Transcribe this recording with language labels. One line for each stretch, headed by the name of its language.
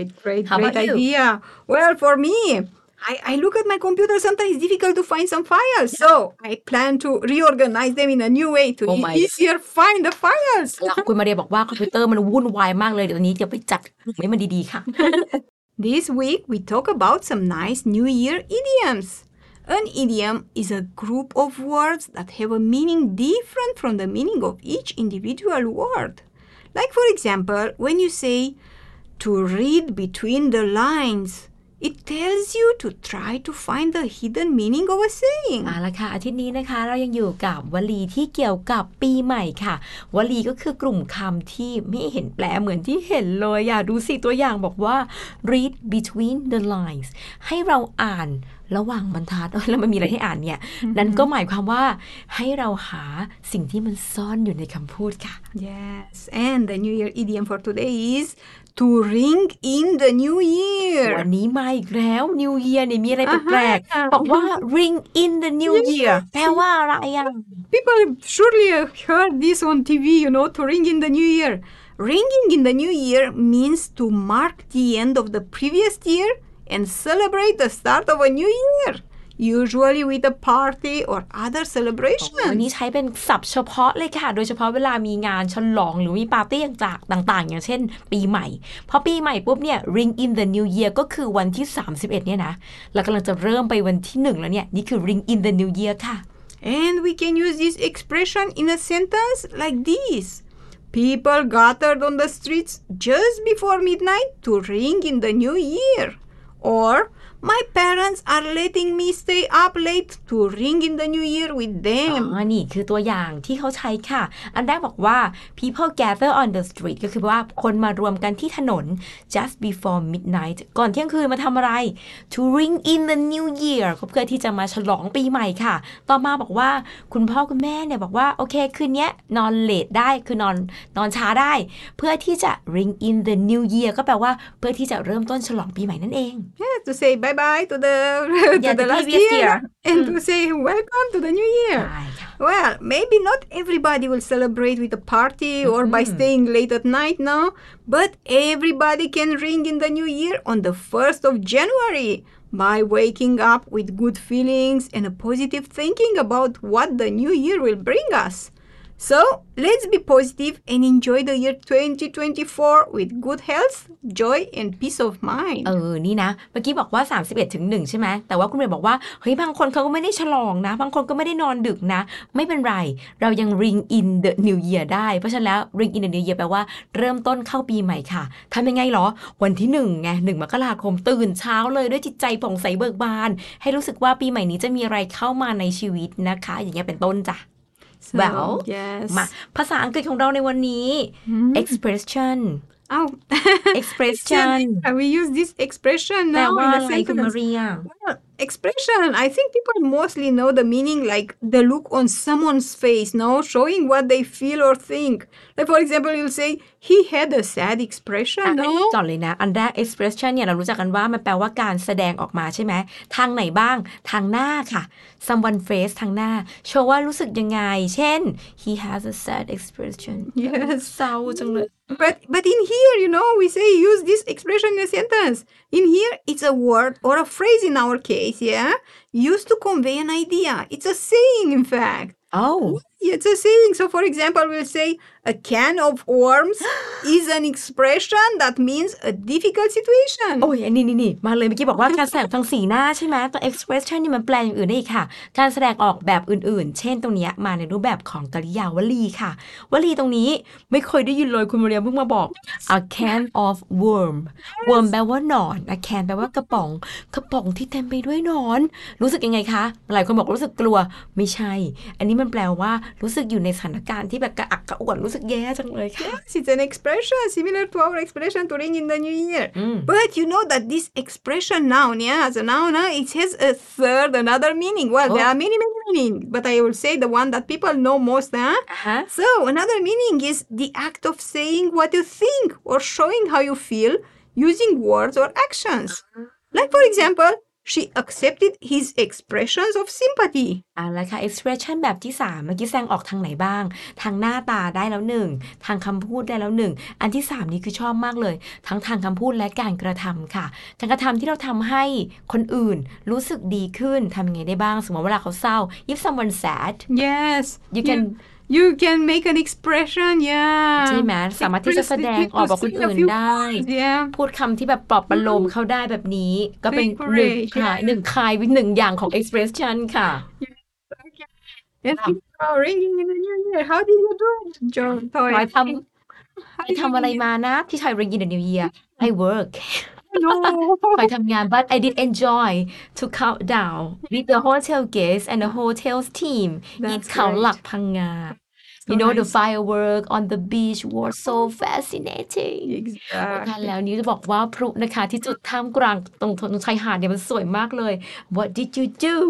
English: great idea well for meI look at my computer sometimes it's difficult to find some files yeah. so I plan to reorganize them in a new way to easier find the files
Thai: คุณมาเรียบอกว่าคอมพิวเตอร์มันวุ่นวายมากเลยเดี๋ยวนี้จะไปจัดให้มันดีๆค่ะ
English: This week we talk about some nice New Year idioms An idiom is a group of words that have a meaning different from the meaning of each individual word Like for example when you say to read between the linesIt tells you to try to find the hidden meaning of a saying.
Thai: เอาละค่ะอาทิตย์นี้นะคะเรายังอยู่กับวลีที่เกี่ยวกับปีใหม่ค่ะวลีก็คือกลุ่มคำที่ไม่เห็นแปลเหมือนที่เห็นเลยอยากดูสิตัวอย่างบอกว่า
English: read between the lines
Thai: ให้เราอ่านระหว่างบรรทัดแล้วมันมีอะไรให้อ่านเนี่ย นั้นก็หมายความว่าให้เราหาสิ่งที่มันซ่อนอยู่ในคำพูดค่ะ
English: Yes and the New Year idiom for today isTo ring in the new year.
Thai: วันนี้มาอีกแล้ว New Year เนี่ยมีอะไร แปลกๆ บอกว่า
English: ring in the new year.
Thai: แปลว่าอะไรอ่ะ
English: People surely heard this on TV, you know, to ring in the new year. Ringing in the new year means to mark the end of the previous year and celebrate the start of a new year, usually with a party or other celebration.
Thai: วันนี้ใช้เป็นศัพท์เฉพาะเลยค่ะโดยเฉพาะเวลามีงานฉลองหรือมีปาร์ตี้ต่างๆอย่างเช่นปีใหม่พอปีใหม่ปุ๊บเนี่ย
English: Ring in the new year
Thai: ก็คือวันที่31เนี่ยนะแล้วกำลังจะเริ่มไปวันที่1แล้วเนี่ยนี่คือ Ring in the new year ค่ะ
English: And we can use this expression in a sentence like thisPeople gathered on the streets just before midnight to ring in the new year. Or, my parents are letting me stay up late to ring in the new year with them.
Thai: อันนี้คือตัวอย่างที่เขาใช้ค่ะอันแรกบอกว่า
English: people gather on the street
Thai: ก็คือว่าคนมารวมกันที่ถนน
English: just before midnight
Thai: ก่อนเที่ยงคืนมาทำอะไร
English: to ring in the new year
Thai: เพื่อที่จะมาฉลองปีใหม่ค่ะต่อมาบอกว่าคุณพ่อคุณแม่เนี่ยบอกว่าโอเคคืนนี้นอนเลทได้คือนอนช้าได้เพื่อที่จะ
English: ring in the new year
Thai: ก็แปลว่าเพื่อที่จะเริ่มต้นฉลองปีใหม่นั่นเอง
English: yeah to say byebye to the last year and to say welcome to the new year. Well, maybe not everybody will celebrate with a party or by staying late at night now, but everybody can ring in the new year on the 1st of January by waking up with good feelings and a positive thinking about what the new year will bring us. So, let's be positive and enjoy the year 2024 with good health, joy, and peace of mind.
Thai: นี่นะเมื่อกี้บอกว่า31ถึง1ใช่ไหมแต่ว่าคุณเมย์บอกว่าเฮ้ยบางคนเขาก็ไม่ได้ฉลองนะบางคนก็ไม่ได้นอนดึกนะไม่เป็นไรเรายัง
English: ring in the new year
Thai: ได้เพราะฉะนั้นแล้ว ring in the new year แปลว่าเริ่มต้นเข้าปีใหม่ค่ะทำยังไงหรอวันที่1ไง1มกราคมตื่นเช้าเลยด้วยจิตใจผ่องใสเบิกบานให้รู้สึกว่าปีใหม่นี้จะมีอะไรเข้ามาในชีวิตนะคะอย่างเงี้ยเป็นต้นจ้ะ
English: So, well, yes.
Thai: มาภาษาอังกฤษของเราในวันนี้ expression oh
English: expression we use this expression
Thai: แปลว่าอะไรคุณมาเรีย
English: expression I think people mostly know the meaning like the look on someone's face no showing what they feel or think like for example you'll say he had a sad expression no
Thai: จอนเลยนะอันแรก expression เนี่ยเรารู้จักกันว่ามันแปลว่าการแสดงออกมาใช่ไหมทางไหนบ้างทางหน้าค่ะ
English: someone's face
Thai: ทางหน้า show ว่ารู้สึกยังไงเช่น
English: he has a sad expression yes
Thai: เศร้าจังเลย
English: but in here you know we say use this expression in a sentence in here it's a word or a phrase in our case yeah used to convey an idea it's a saying in fact it's a saying so for example we'll say a can of worms is an expression that means a difficult situation
Thai: โอ้ยนี่มาเลยเมื่อกี้บอกว่าการแสดงทางสีหน้าใช่ไหมตัว expression นี่มันแปลอย่างอื่นได้อีกค่ะการแสดงออกแบบอื่นๆเช่นตรงนี้มาในรูปแบบของกริยาวลีค่ะวลีตรงนี้ไม่เคยได้ยินเลยคุณมาเรียมเพิ่งมาบอก
English: a can of worm
Thai: worm แปลว่าหนอน a can แปลว่ากระป๋องกระป๋องที่เต็มไปด้วยหนอนรู้สึกยังไงคะหลายคนบอกรู้สึกกลัวไม่ใช่อันนี้มันแปลว่ารู้สึกอยู่ในสถานการณ์ที่แบบกระอักกระอ่วนรู้สึกแย่จังเลยค่ะ
English: yes, it's an expression similar to our expression to ring in the new year but you know that this expression noun yeah as a noun it has a third another meaning well there are many meaning but I will say the one that people know most so another meaning is the act of saying what you think or showing how you feel using words or actions like for exampleShe accepted his expressions of sympathy.
Thai: แล้วค่ะ expression แบบที่3เมื่อกี้แสดงออกทางไหนบ้างทางหน้าตาได้แล้ว1ทางคำพูดได้แล้ว1อันที่3นี้คือชอบมากเลยทั้งทางคำพูดและการกระทําค่ะการกระทําที่เราทำให้คนอื่นรู้สึกดีขึ้นทำยังไงได้บ้างสมมติเวลาเขาเศร้า
English: if someone's sad yes you can make an expression yeah
Thai: ใช่ไหมสามารถที่จะแสดงออกบอกคนอื่นได้ พูดคำที่แบบปลอบประโลมเขาได้แบบนี้ก็เป็นหนึ่งอย่างของ expression ค่ะ
English: ringing in the new year how did you do John Toy
Thai: ทำอะไรมานะพี่ชาย
English: ringing in the new year I work No.
Thai: ไปทำงาน
English: but I did enjoy to count down with the hotel guests and the hotel's team in Kaolak Phanga you know the firework on the beach was so fascinating exactly
Thai: แล้วนี้จะบอกว่าพลุนะคะที่จุดท่ามกลางตรงชายหาดเนี่ยมันสวยมากเลย
English: what did you do